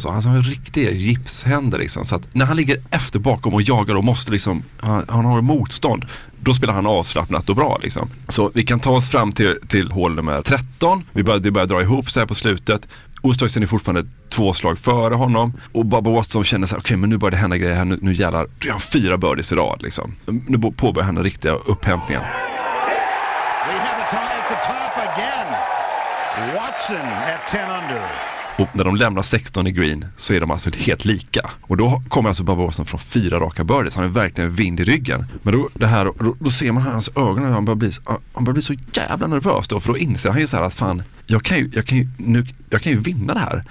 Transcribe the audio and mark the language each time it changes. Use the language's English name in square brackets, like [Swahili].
[Swedish] Så alltså, han har riktiga gipshänder liksom. Så att när han ligger efter bakom och jagar och måste liksom, han har motstånd, då spelar han avslappnat och bra liksom. Så vi kan ta oss fram till hål nummer 13. Det börjar dra ihop så här på slutet. Osthuizen är fortfarande två slag före honom. Och Bubba Watson känner så här, okej, men nu börjar det hända grejer här. Nu gäller det. Du har fyra birdies i rad liksom. Nu påbörjar han den riktiga upphämtningen. [English] We have a tie at the top again. Watson at 10 under. [Swedish] Och när de lämnar 16 i green så är de alltså helt lika. Och då kommer alltså Bubba Watson från fyra raka birdies. Han är verkligen vind i ryggen. Men då ser man hans ögon och han börjar bli så jävla nervös då. För då inser han ju så här att fan, jag kan ju vinna det här.